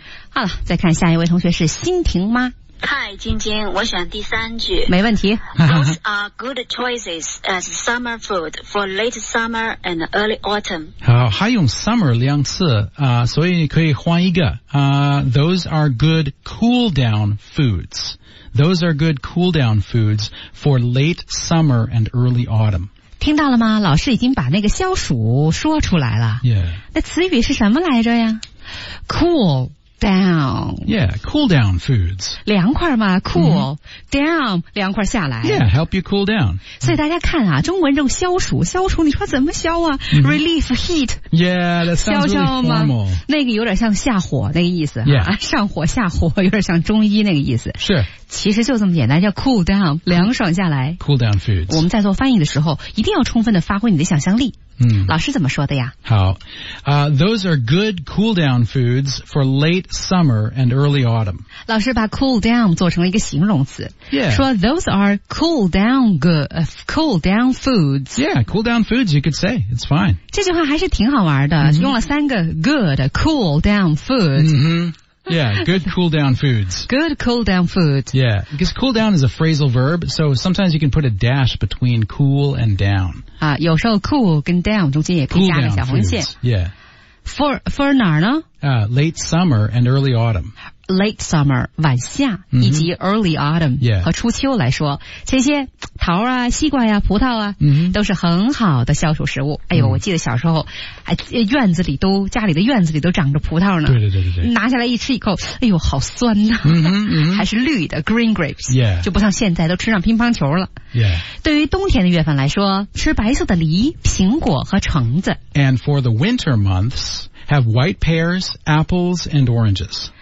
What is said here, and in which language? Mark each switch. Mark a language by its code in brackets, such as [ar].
[zh] 好了再看下一位同学是欣婷妈嗨晶晶我选第三句没问题 [en] those are good choices as summer food for late summer and early autumn [zh] 好还用 summer 两次、所以可以换一个、 [en] those are good cool down foods those are good cool down foods for late summer and early autumn [zh] 听到了吗老师已经把那个消暑说出来了。 [en] Yeah. [zh] 那词语是什么来着呀 ?cool down. [en] Yeah, cool down foods. [zh] 凉快嘛 ,cool、down, 凉快下来。 [en] Yeah, help you cool down. [zh] 所以大家看啊中文中消暑消暑你说怎么消啊、 [en] relief heat. Yeah, that sounds really formal. [zh] 消消吗那个有点像下火那个意思。 [en] Yeah. [zh] 上火下火有点像中医那个意思。是。其实就这么简单叫 cool down, 凉爽下来。 [en] Cool down foods. [zh] 我们在做翻译的时候一定要充分的发挥你的想象力。嗯。老师怎么说的呀好。 [en] Those are good cool down foods for late summer and early autumn. [zh] 老师把 cool down 做成了一个形容词。 [en] Yeah. [zh] 说 [en] those are cool down good,、cool down foods. Yeah, cool down foods you could say. It's fine. [zh] 这句话还是挺好玩的、用了三个 [en] good, cool down foods.、 Yeah, good cool down foods. Good cool down foods. Yeah, because cool down is a phrasal verb, so sometimes you can put a dash between cool and down. [zh] 啊，有时候 cool 跟 down 中间也可以加个小红线。 [en] Yeah. [zh] For 哪儿呢？ [en] Late summer and early autumn. late summer [zh] 晚夏、 mm-hmm. 以及 [en] early autumn、 yeah. [zh] 和初秋来说，这些桃啊、西瓜呀、啊、葡萄啊， mm-hmm. 都是很好的消暑食物。哎呦，我记得小时候，哎，院子里都家里的院子里都长着葡萄呢。对对对对对。拿下来一吃一口，哎呦，好酸呐、啊！ Mm-hmm, mm-hmm. 还是绿的 [en] green grapes，、 yeah. [zh] 就不像现在都吃上乒乓球了。 [en] Yeah. [zh] 对于冬天的月份来说，吃白色的梨、苹果和橙子。 [en] And for the winter months, have white pears, apples, and oranges.